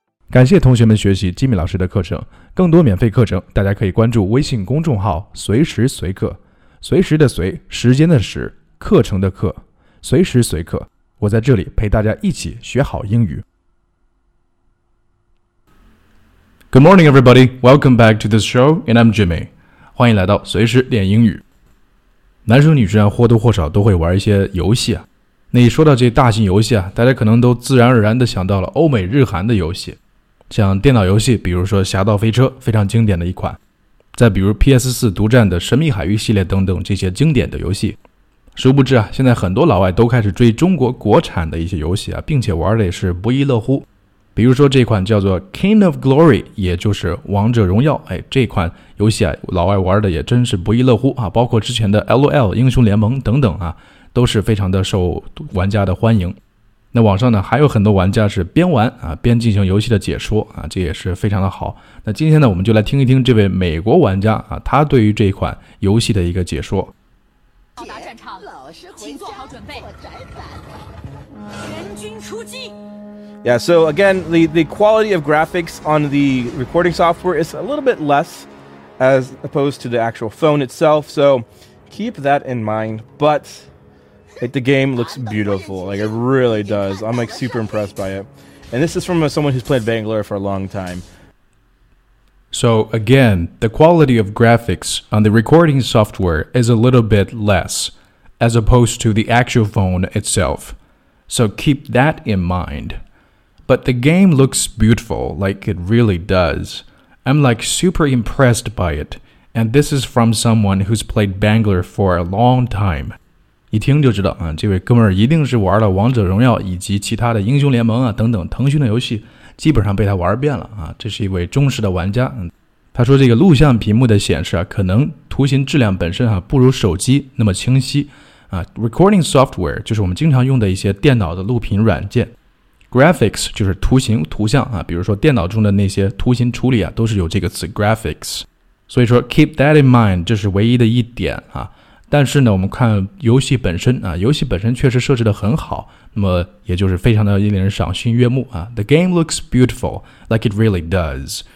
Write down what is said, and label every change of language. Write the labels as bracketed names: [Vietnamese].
[Chinese] 感谢同学们学习吉米老师的课程。更多免费课程，大家可以关注微信公众号“随时随课”，随时的随，时间的时，课程的课，随时随课。我在这里陪大家一起学好英语。 [English] Good morning, everybody. Welcome back to the show, and I'm Jimmy. [Chinese] 欢迎来到随时练英语。男生女生或多或少都会玩一些游戏啊。那一说到这大型游戏啊，大家可能都自然而然地想到了欧美日韩的游戏，像电脑游戏，比如说《侠盗飞车》，非常经典的一款；再比如 PS4 独占的《神秘海域》系列等等这些经典的游戏。殊不知啊，现在很多老外都开始追中国国产的一些游戏啊，并且玩的也是不亦乐乎。比如说这款叫做《King of Glory》，也就是《王者荣耀》，哎，这款游戏啊，老外玩的也真是不亦乐乎啊，包括之前的 LOL、英雄联盟等等啊。都是非常的受玩家的欢迎。那网上呢还有很多玩家是边玩啊边进行游戏的解说啊，这也是非常的好。那今天呢我们就来听一听这位美国玩家啊，他对于这款游戏的一个解说。到达战场，老师请做好准备，我宅反了，全军出击。 [English] Yeah, so again, the quality of graphics on the recording software is a little bit less as opposed to the actual phone itself, so keep that in mind, butThe game looks beautiful, like it really does. I'm like super impressed by it. And this is from someone who's played Vanguard for a long time. So again, the quality of graphics on the recording software is a little bit less as opposed to the actual phone itself. So keep that in mind. But the game looks beautiful, like it really does. I'm like super impressed by it. And this is from someone who's played Vanguard for a long time. [Chinese] 一听就知道啊，这位哥们儿一定是玩了王者荣耀以及其他的英雄联盟啊等等腾讯的游戏，基本上被他玩遍了啊，这是一位忠实的玩家。他说这个录像屏幕的显示啊，可能图形质量本身啊不如手机那么清晰啊。 Recording software 就是我们经常用的一些电脑的录屏软件。 Graphics 就是图形图像啊，比如说电脑中的那些图形处理啊，都是有这个词 graphics。所以说 [English] keep that in mind [Chinese] 这是唯一的一点啊。但是呢我们看游戏本身啊，游戏本身确实设置得很好，那么也就是非常的令人赏心悦目啊。 [English] The game looks beautiful, like it really does.